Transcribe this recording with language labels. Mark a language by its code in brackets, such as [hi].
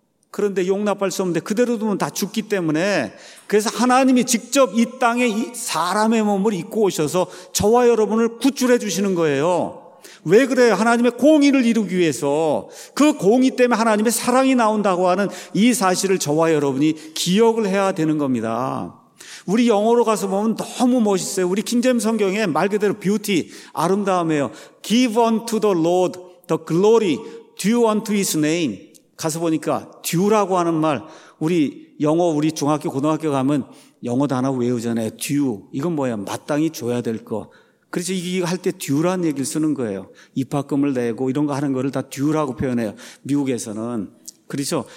[ko] 그런데 용납할 수 없는데 그대로 두면 다 죽기 때문에 그래서 하나님이 직접 이 땅에 이 사람의 몸을 입고 오셔서 저와 여러분을 구출해 주시는 거예요. 왜 그래요? 하나님의 공의를 이루기 위해서 그 공의 때문에 하나님의 사랑이 나온다고 하는 이 사실을 저와 여러분이 기억을 해야 되는 겁니다. 우리 영어로 가서 보면 너무 멋있어요. 우리 킹제임스 성경에 말 그대로 뷰티, 아름다움이에요. [en] Give unto the Lord the glory due unto his name. [ko] 가서 보니까 due라고 하는 말 우리 영어 우리 중학교 고등학교 가면 영어 단어 외우잖아요. due 이건 뭐예요? 마땅히 줘야 될 거. 그래서 이게 할 때 듀라는 얘기를 쓰는 거예요. 입학금을 내고 이런 거 하는 거를 다 듀라고 표현해요. 미국에서는. 그렇죠.